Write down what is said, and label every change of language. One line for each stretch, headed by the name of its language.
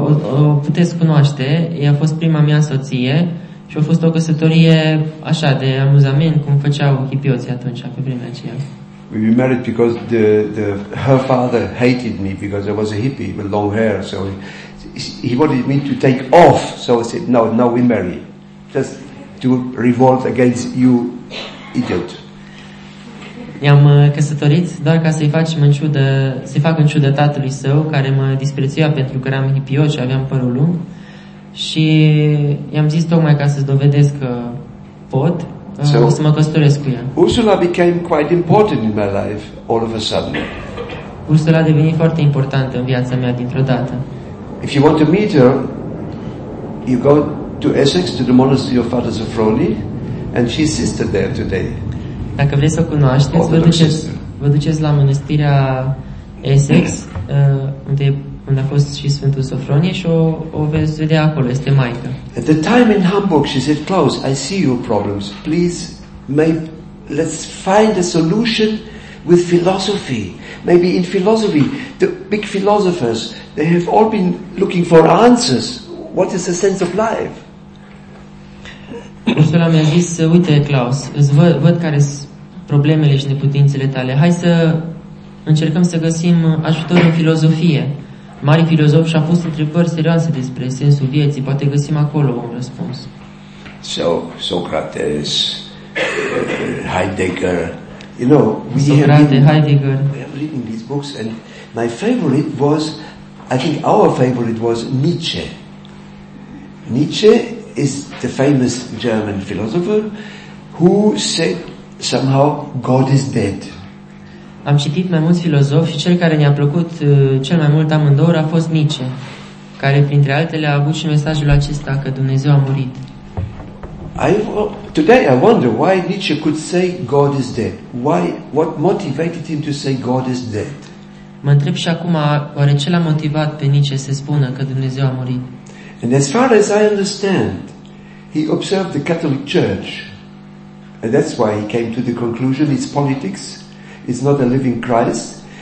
Romanian: O puteți cunoaște, ea a fost prima mea soție și a fost o căsătorie așa, de amuzament, cum făceau hippioții atunci, pe vremea aceea.
English: We were married because the her father hated me because I was a hippie with long hair, so he wanted me to take off. So I said, no, we marry. Just to revolt against you, idiot.
Romanian: I-am căsătorit doar ca să-i fac în ciudă tatălui său, care mă disprețuia pentru că eram hippie și aveam părul lung. Și i-am zis tocmai ca să-ți dovedesc că pot. So, o să mă căsătoresc cu ea.
English: Ursula became quite important in my life all of a sudden.
Romanian: Ursula a devenit foarte importantă în viața mea dintr-o dată.
English: If you want to meet her, you go to Essex to the monastery of Father Sofroni, and she's sister there today.
Romanian: Dacă vrei să o cunoașteți, vă duceți la mănăstirea Essex, unde a fost și Sfântul Sofronie și o veți vedea acolo, este maică.
English: At the time in Hamburg, she said, Klaus, I see your problems. Please, let's find a solution with philosophy. Maybe in philosophy, the big philosophers, they have all been looking for answers. What is the sense of life?
Romanian: Ursula mi-a zis, uite, Klaus, văd care sunt problemele și neputințele tale. Hai să încercăm să găsim ajutor în filozofie. Mari filozofi și-au pus întrebări serioase despre sensul vieții. Poate găsim acolo un răspuns.
English: So, Socrates, Heidegger, you know, Heidegger. We are reading these books and my favorite was, I think our favorite was Nietzsche. Nietzsche is the famous German philosopher who said somehow God is dead.
Romanian: Am citit mai mulți filozofi și cel care ne-a plăcut cel mai mult amândouă a fost Nietzsche, care printre altele a avut și mesajul acesta că Dumnezeu a murit.
English: Today I wonder why Nietzsche could say God is dead. Why, what motivated him to say God is dead?
Romanian: Mă întreb și acum oare ce l-a motivat pe Nietzsche să spună că Dumnezeu a murit.
English: And as far as I understand, he observed the Catholic Church. And that's why he came to the conclusion it's politics. It's not a living Christ.